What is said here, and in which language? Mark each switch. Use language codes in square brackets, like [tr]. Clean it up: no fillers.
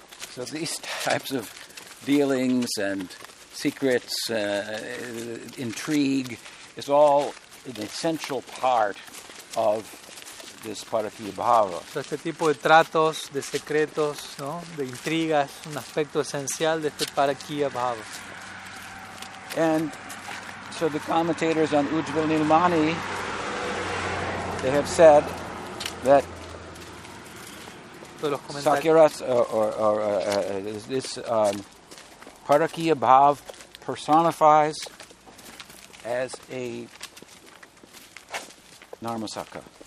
[en] So these types of dealings and secrets, intrigue, is all an essential part of this Paratiya Bhava. [es] So este tipo de tratos, de secretos, ¿no? De intrigas, un aspecto esencial de este Paratiya Bhava. [en] And so the commentators on Ujjvala Nilmani, they have said that Sakyaras this Paratiya Bhava personifies as a Narmasaka.